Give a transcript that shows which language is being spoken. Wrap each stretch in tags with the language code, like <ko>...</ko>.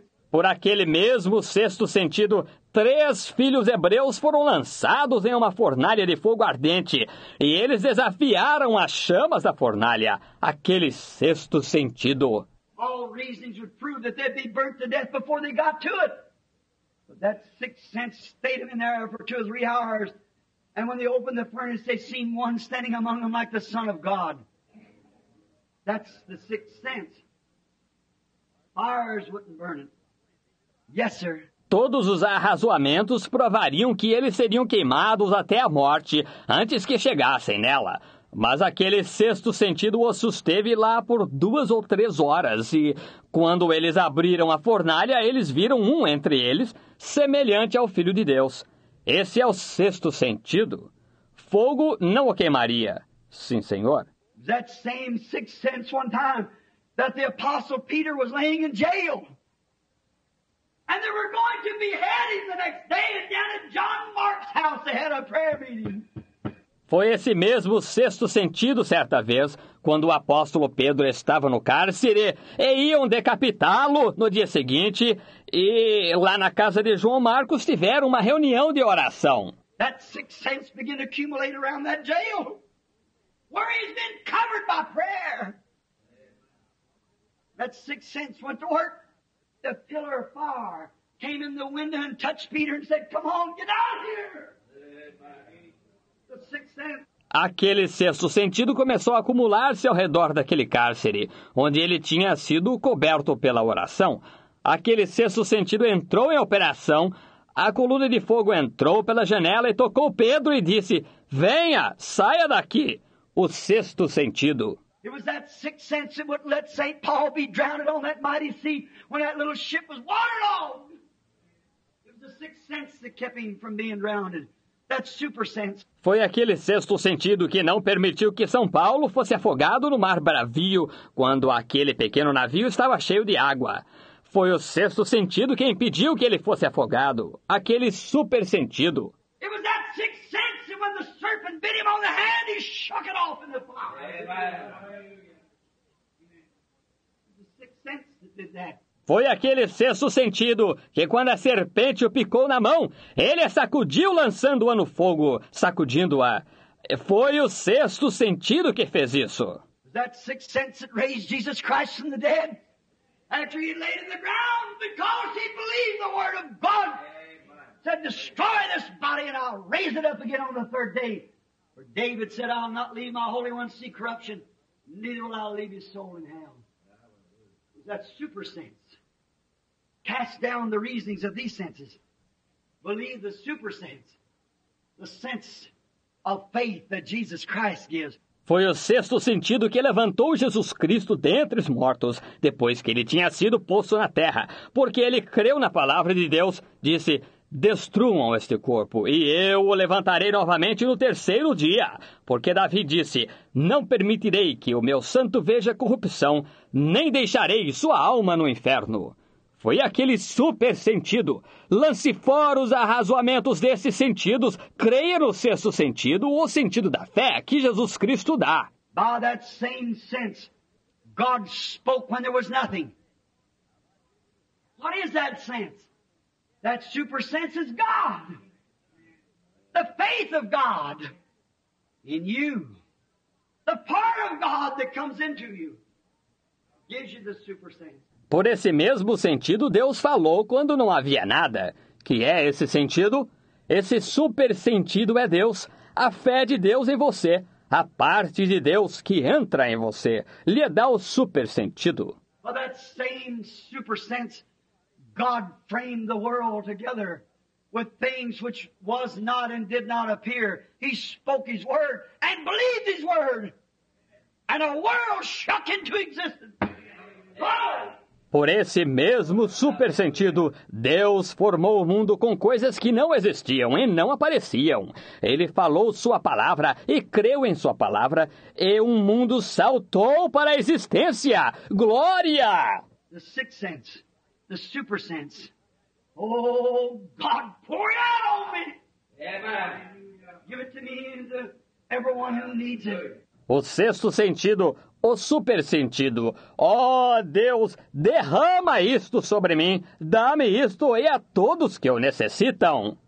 <pt>Por aquele mesmo sexto sentido, três filhos hebreus foram lançados em uma fornalha de fogo ardente, e eles desafiaram as chamas da fornalha, aquele sexto sentido.</pt> <en>All reasons would prove that they'd be burnt to death before they got to it. But that sixth sense stayed in there for two or three hours, and when they opened the furnace, they seen one standing among them like the Son of God. That's the sixth sense. Fires wouldn't burn it. Yes, sir.</en> <pt>Todos os arrazoamentos provariam que eles seriam queimados até a morte antes que chegassem nela. Mas aquele sexto sentido os susteve lá por duas ou três horas. E quando eles abriram a fornalha, eles viram um entre eles, semelhante ao Filho de Deus. Esse é o sexto sentido. Fogo não o queimaria. Sim, senhor.</pt> <en>That same sixth sense one time that the apostle Peter was laying in jail. And they were going to behead him the next day and down at John Mark's house they had a prayer meeting.</en> <pt>Foi esse mesmo sexto sentido certa vez, quando o apóstolo Pedro estava no cárcere, e iam decapitá-lo no dia seguinte, e lá na casa de João Marcos tiveram uma reunião de oração.</pt> <en>That sixth sense began to accumulate around that jail, where he's been covered by prayer. That sixth sense went to work. The pillar of fire came in the window and touched Peter and said, come on, get out here. The sixth sense.</en> <pt>Aquele sexto sentido começou a acumular-se ao redor daquele cárcere, onde ele tinha sido coberto pela oração. Aquele sexto sentido entrou em operação, a coluna de fogo entrou pela janela e tocou Pedro e disse, venha, saia daqui. O sexto sentido.</pt> <en>It was that sixth sense that wouldn't let St. Paul be drowned on that mighty sea when that little ship was waterlogged. It was the sixth sense that kept him from being drowned. That super sense.</en> <pt>Foi aquele sexto sentido que não permitiu que São Paulo fosse afogado no mar bravio quando aquele pequeno navio estava cheio de água. Foi o sexto sentido que impediu que ele fosse afogado. Aquele super sentido.</pt> <en>It was that sixth sense that when the serpent bit him on the hand, he shook it off in the fire. Amen. It was the sixth sense that did that.</en> <pt>Foi aquele sexto sentido que quando a serpente o picou na mão, ele a sacudiu lançando-a no fogo, sacudindo-a. Foi o sexto sentido que fez isso.</pt> <en>That sixth sense that raised Jesus Christ from the dead after he laid in the ground because he believed the word of God. Amen. Said, destroy this body and I'll raise it up again on the third day. For David said, I'll not leave my Holy One see corruption, neither will I leave his soul in hell. That super sense cast down the reasonings of these senses. believe the super sense, the sense of faith that Jesus Christ gives.</en> <pt>Foi o sexto sentido que levantou Jesus Cristo dentre os mortos, depois que ele tinha sido posto na terra, porque ele creu na palavra de Deus, disse: destruam este corpo, e eu o levantarei novamente no terceiro dia. Porque Davi disse: não permitirei que o meu santo veja corrupção, nem deixarei sua alma no inferno. Foi aquele super sentido. Lance fora os arrazoamentos desses sentidos, creia no sexto sentido, o sentido da fé que Jesus Cristo dá.</pt> <en>By that same sense, God spoke when there was nothing. What is that sense? That super sense is God. The faith of God in you. The part of God that comes into you gives you the super sense.</en> <pt>Por esse mesmo sentido, Deus falou quando não havia nada. Que é esse sentido? Esse super sentido é Deus, a fé de Deus em você, a parte de Deus que entra em você, lhe dá o super sentido.</pt> <en>Well, that same super sense, God framed the world together with things which was not and did not appear. He spoke His word and believed His word, and a world shook into existence. Oh!</en> <pt>Por esse mesmo super sentido, Deus formou o mundo com coisas que não existiam e não apareciam. Ele falou sua palavra e creu em sua palavra, e um mundo saltou para a existência. Glória!</pt> <en>The sixth sense, the super sense. Oh, God, pour it out on me! Amen. Give it to me and to everyone who needs it.</en> <pt>O sexto sentido, o super sentido. Oh, Deus, derrama isto sobre mim. Dá-me isto e a todos que o necessitam.</pt>